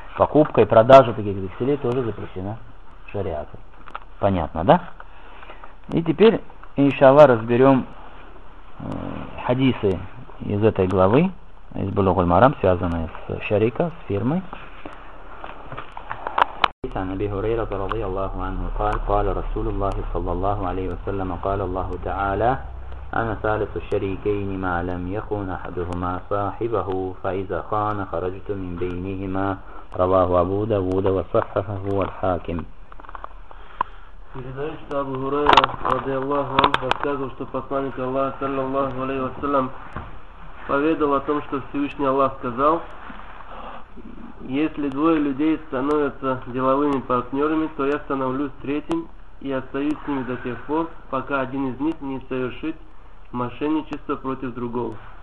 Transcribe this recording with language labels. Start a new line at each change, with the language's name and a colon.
Russian: Покупка и продажа таких векселей тоже запрещена шариатом. Понятно, да? И теперь, иншалла, разберем хадисы из этой главы, из Булугуль Марам, связанные с шарика, с фирмой.
Arabic: عن أبي هريرة رضي الله عنه قال قال رسول الله صلى الله عليه وسلم قال الله تعالى أنا ثالث الشريكين ما لم يخون أحدهما صاحبه فإذا خان خرجت من بينهما رواه أبو داود وصححه الحاكم.
Russian: Передаю, что Абу Хурайра
Arabic: رضي الله عنه
Russian: рассказывал, что посланник Аллаха
Arabic: صلى الله عليه وسلم
Russian: поведал о том, что Всевышний Аллах сказал: если двое людей становятся деловыми партнерами, то я становлюсь третьим и остаюсь с ними до тех пор, пока один из них не совершит мошенничество против другого.